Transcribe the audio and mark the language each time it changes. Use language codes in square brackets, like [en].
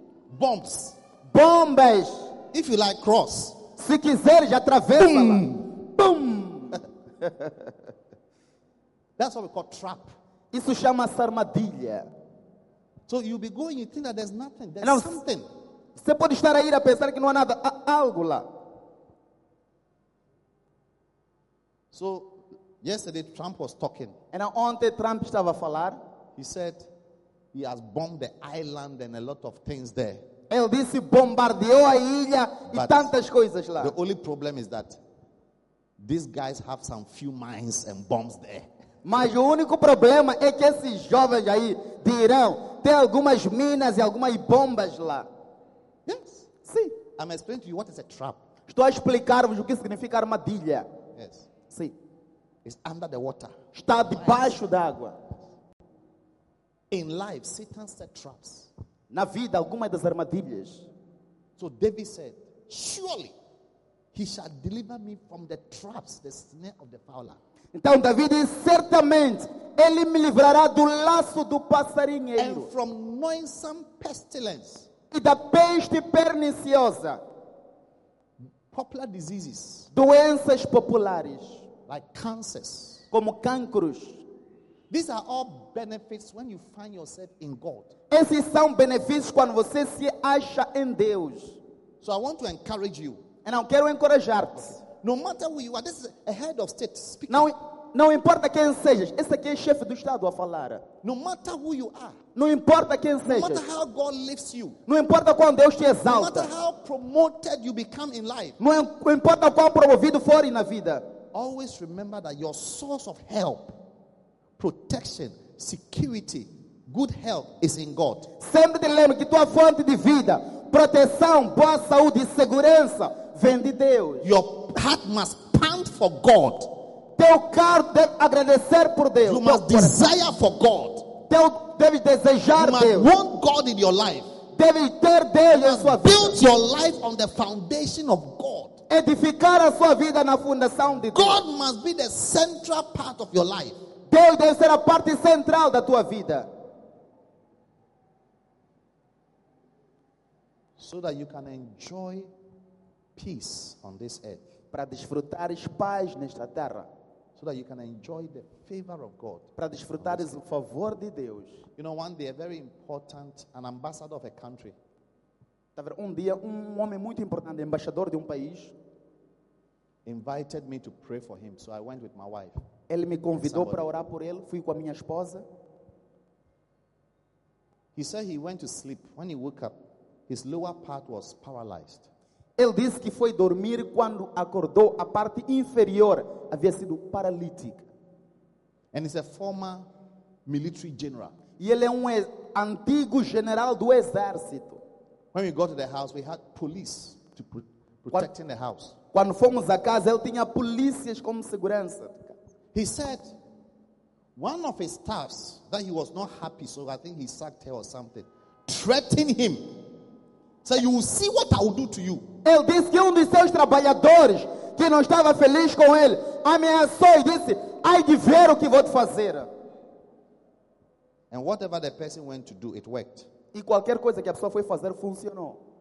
[en] Bombs. [pt] Bombas. [en] If you like cross. [pt] Se quiser já atravessa. [en] Boom. [pt] Lá. Boom. [en] That's what we call trap. [pt] Isso chama-se armadilha. [en] So you'll be going, you think that there's nothing, there's now, something. [pt] Você pode estar aí a pensar que não há nada, há algo lá. [en] So yesterday Trump was talking. And [pt] ontem Trump estava a falar. [en] He said he has bombed the island and a lot of things there. [pt] Ele disse bombardeou a ilha e [en] but [pt] tantas coisas lá. [en] The only problem is that these guys have some few mines and bombs there. [pt] Mas o único problema é que esses jovens aí de Irã têm algumas minas e algumas bombas lá. [en] Yes. [pt] Sim. [en] I'm explaining to you what is a trap. [pt] Estou a explicar-vos o que significa armadilha. [en] Yes. [pt] Sim. [en] It's under the water. [pt] Está debaixo d'água. [en] In life, Satan set traps. [pt] Na vida, algumas das armadilhas. [en] So David said, surely he shall deliver me from the traps, the snare of the fowler. [pt] Então Davi diz, certamente ele me livrará do laço do passarinheiro. [en] And from noisome pestilence. [pt] E da peste perniciosa. [en] Popular diseases. [pt] Doenças populares. [en] Like cancers. [pt] Como cancros. [en] These are all benefits when you find yourself in God. [pt] Esses são benefícios quando você se acha em Deus. [en] So I want to encourage you. [pt] E eu quero encorajar-te. [en] Okay. No matter who you are, this is a head of state speaking. [pt] Não importa quem sejas, esse aqui é chefe do estado a falar. [en] No matter who you are. [pt] Não importa quem sejas. [en] No matter how God lifts you. [pt] Não importa quão Deus te exalta. [en] No matter how promoted you become in life. [pt] Não importa quão promovido for na vida. [en] Always remember that your source of help, protection, security, good health is in God. [pt] Sempre te lembre que tua fonte de vida, proteção, boa saúde e segurança vem de Deus. [en] Your heart must pant for God. [pt] Teu coração deve agradecer por Deus. [en] You must desire for God. [pt] Teu deve desejar [en] Deus. You must want God in your life. [pt] Deve ter Deus em sua vida. [en] Build your life on the foundation of God. [pt] Edificar a sua vida na fundação de Deus. [en] God must be the central part of your life. [pt] Deus deve ser a parte central da tua vida. [en] So that you can enjoy peace on this earth. [pt] Para desfrutares paz nesta terra. [en] So that you can enjoy the favor of God. [pt] Para desfrutares o favor de Deus. [en] You know, one day a very important, an ambassador of a country. [pt] Um dia um homem muito importante, embaixador de um país, [en] invited me to pray for him. So I went with my wife. [pt] Ele me convidou para orar por ele, fui com a minha esposa. [en] He said he went to sleep. When he woke up, his lower part was paralyzed. [pt] Ele disse que foi dormir quando acordou, a parte inferior havia sido paralítica. [en] And he's a former military general. [pt] E ele é um antigo general do exército. [en] When we got to the house, we had police to protect in the house. [pt] Quando fomos à casa, ele tinha polícias como segurança. [en] He said one of his staffs that he was not happy, so I think he sacked her or something, threatened him. So you will see what I will do to you. [pt] Ele disse que dos seus trabalhadores que não estava feliz com ele ameaçou e disse, ai de ver o que vou te fazer. [en] And whatever the person went to do, it worked. [pt] E qualquer coisa que a pessoa foi fazer funcionou.